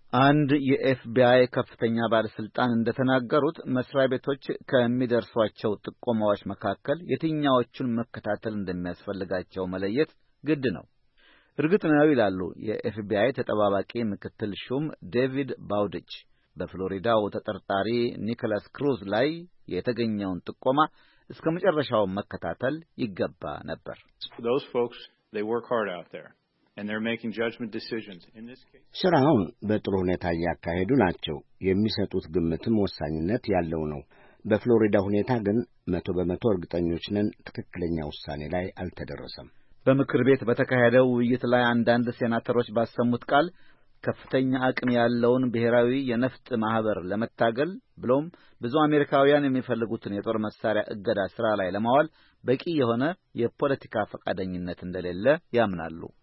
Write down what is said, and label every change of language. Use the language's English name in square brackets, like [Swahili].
[Amharic] አንድ የFBI ከፍተኛ ባለስልጣን እንደተናገሩት መስሪያ ቤቶች ከሚደርሷቸው ጥቆማዎች መካከል የትኛዎቹን መከታተል እንደሚያስፈልጋቸው መለየት ግድ ነው። እርግጥ ነው ይላሉ የFBI ተጠባባቂ ምክትል ሹም ዴቪድ ባውድች በፍሎሪዳው ተጠርጣሪ ኒኮላስ ክሩዝ ላይ የተገኘውን ጥቆማ እስከ መጨረሻው መከታተል ይገባ ነበር። [English] Those folks they work hard out there and they're making judgment decisions in this case [Amharic] ስራውን በጥሩ ሁኔታ ያካሄዱ ናቸው። የሚሰጡት ግምትም ወሳኝነት ያለው ነው። በፍሎሪዳ ሁኔታ ግን 100 በመቶ እርግጠኞች ነን ትክክለኛ ውሳኔ ላይ አልተደረሰም። በምክር ቤት በተካሄደው ውይይት ላይ አንዳንድ ሴናተሮች ባሰሙት ቃል ከፍተኛ አቅም ያለውን ብሔራዊ የነፍጥ ማህበር ለመታገል ብሎም ብዙ አሜሪካውያን የሚፈልጉትን የጦር መሳሪያ እገዳ ስራ ላይ ለማዋል በቂ የሆነ የፖለቲካ ፈቃደኝነት እንደሌለ ያምናሉ።